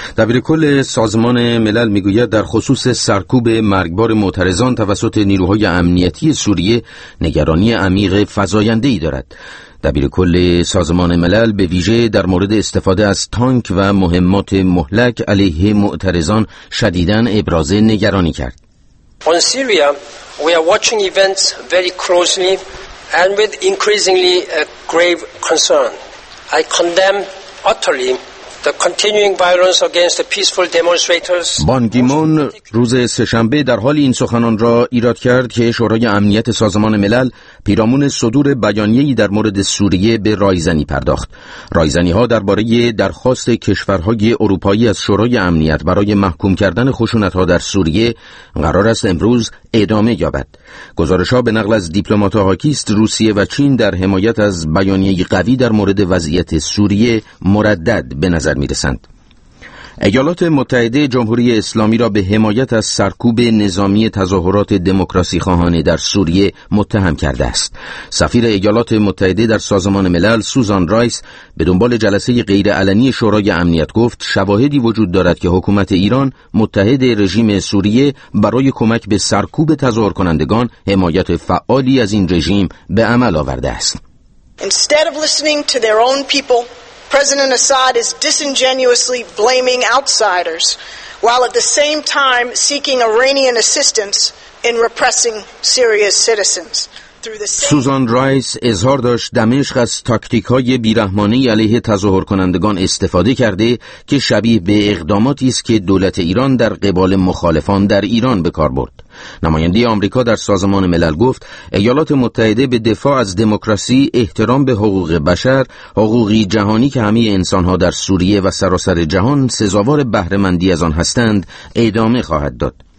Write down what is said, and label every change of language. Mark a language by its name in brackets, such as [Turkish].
[Persian] دبیر کل سازمان ملل میگوید در خصوص سرکوب مرگبار معترضان توسط نیروهای امنیتی سوریه نگرانی عمیق فزاینده ای دارد. دبیر کل سازمان ملل به ویژه در مورد استفاده از تانک و مهمات مهلک علیه معترضان شدیداً ابراز نگرانی کرد. [English] On Syria, we are watching events very closely and with increasingly a grave concern. I condemn utterly the continuing violence against the peaceful demonstrators. [Persian] بان کی مون روز سه‌شنبه در حال این سخنان را ایراد کرد که شورای امنیت سازمان ملل پیرامون صدور بیانیه‌ای در مورد سوریه به رایزنی پرداخت. رایزنی‌ها درباره درخواست کشورهای اروپایی از شورای امنیت برای محکوم کردن خشونت‌ها در سوریه قرار است امروز ادامه یابد. گزارش‌ها به نقل از دیپلمات هاکیست روسیه و چین در حمایت از بیانیه قوی در مورد وضعیت سوریه مردد به نظر می‌رسند. ایالات متحده جمهوری اسلامی را به حمایت از سرکوب نظامی تظاهرات دموکراسی خواهانه در سوریه متهم کرده است. سفیر ایالات متحده در سازمان ملل سوزان رایس به دنبال جلسه غیرعلنی شورای امنیت گفت شواهدی وجود دارد که حکومت ایران متحد رژیم سوریه برای کمک به سرکوب تظاهرکنندگان حمایت فعالی از این رژیم به عمل آورده است. [English] Instead of listening to their own people, President Assad is disingenuously blaming outsiders while at the same time seeking Iranian assistance in repressing Syria's citizens. [Persian] سوزان رایس اظهار داشت دمشق از تاکتیک‌های بی‌رحمانه علیه تظاهرکنندگان استفاده کرده که شبیه به اقداماتی است که دولت ایران در قبال مخالفان در ایران به کار برد. نماینده آمریکا در سازمان ملل گفت ایالات متحده به دفاع از دموکراسی، احترام به حقوق بشر، حقوقی جهانی که همه انسان‌ها در سوریه و سراسر جهان سزاوار بهره‌مندی از آن هستند، ادامه خواهد داد.